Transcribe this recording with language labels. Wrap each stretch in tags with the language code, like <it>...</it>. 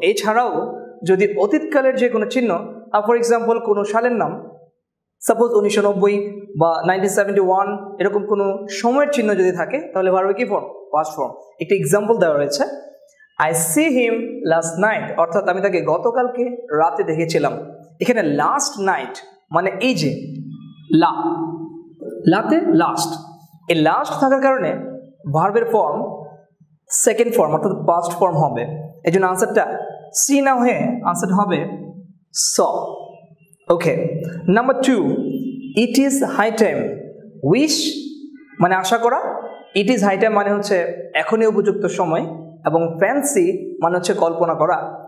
<bn>এছাড়াও যদি অতীতকালের যে কোনো চিহ্ন, ফর এক্সাম্পল কোনো সালের নাম, সাপোজ 1990 বা 1971 এরকম কোনো সময়ের চিহ্ন যদি থাকে তাহলে ভার্বের কি ফর্ম, পাস্ট ফর্ম। একটি এক্সাম্পল দেওয়া রয়েছে,</bn> <en>I see him last night.</en> <bn>অর্থাৎ আমি তাকে গতকালকে রাতে দেখেছিলাম। এখানে last night মানে এই যে লা, লাতে last। এই last থাকার কারণে verb-এর form second form অর্থাৎ past form হবে। এই জন্য আনসারটা সি না হয়ে আনসার হবে স।</bn> <en>Okay, number two, it is high time.</en> <bn>Wish মানে আশা করা,</bn> <en>it is high time</en> <bn>মানে হচ্ছে এখনই উপযুক্ত সময়, এবং ফ্যান্সি মানে হচ্ছে কল্পনা করা।</bn>